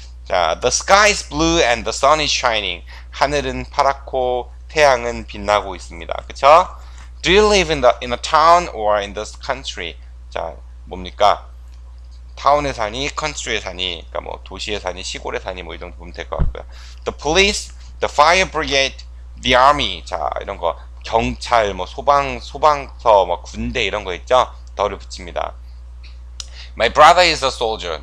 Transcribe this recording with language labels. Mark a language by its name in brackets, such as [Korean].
[English] 자, the sky is blue and the sun is shining. [Korean] 하늘은 파랗고 태양은 빛나고 있습니다. 그쵸? [English] Do you live in a town or in the country? [Korean] 자, 뭡니까? 타운에 사니, 컨트리에 사니, 그러니까 뭐 도시에 사니, 시골에 사니 뭐이 정도 보면 될것 같고요. [English] The police, the fire brigade, the army. [Korean] 자, 이런 거 경찰, 뭐 소방서, 뭐 군대 이런 거 있죠? 더를 붙입니다. [English] My brother is a soldier.